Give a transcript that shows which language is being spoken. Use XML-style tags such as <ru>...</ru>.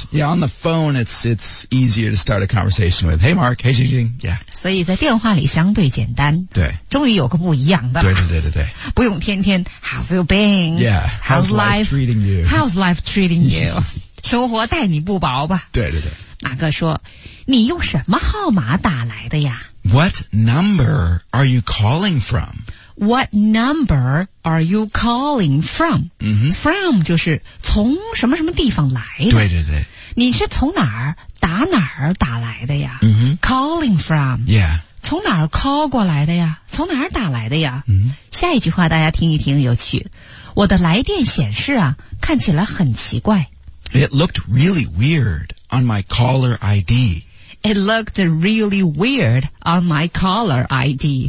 <en>Yeah, on the phone it's easier to start a conversation with Hey Mark, Hey Jing Jing. Yeah.</en> <zh>所以在电话里相对简单。对。终于有个不一样的。对对对对对。</zh> <en>不用天天 How have you been? Yeah. How's life treating you?</en> <zh>How's life treating you? 生活待你不薄吧。对对对。马哥说你用什么号码打来的呀？</zh> <en>What number are you calling from? What number are you calling from?、from 就是从什么什么地方来的。</en> <zh>对对对。你是从哪儿打哪儿打来的呀、 calling from.</zh> <en>Yeah.</en> <zh>从哪儿 call 过来的呀，从哪儿打来的呀、下一句话大家听一听有趣。我的来电显示啊看起来很奇怪。</zh> <en>It looked really weird on my caller ID. It looked really weird on my caller ID.</en>